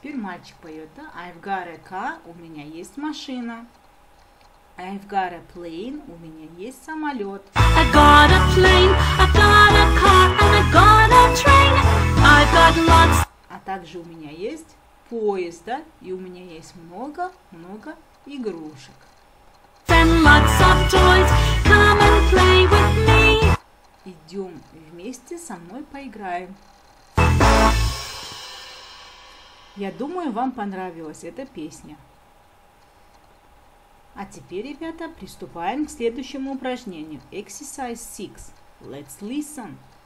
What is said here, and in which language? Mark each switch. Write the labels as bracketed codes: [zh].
[ru] Мальчик поет, да? [en] I've got a car, [ru] у меня есть машина. [en] I've got a plane, [ru] у меня есть самолет. [en] I got a plane, I got a car, and I got a train. I've got lots. [ru] А также у меня есть поезд, да? И у меня есть много-много игрушек. [en] And lots of toys, come and play with me. [ru] Идем вместе со мной поиграем. Я думаю, вам понравилась эта песня. А теперь, ребята, приступаем к следующему упражнению. [en] Exercise 6. Let's listen.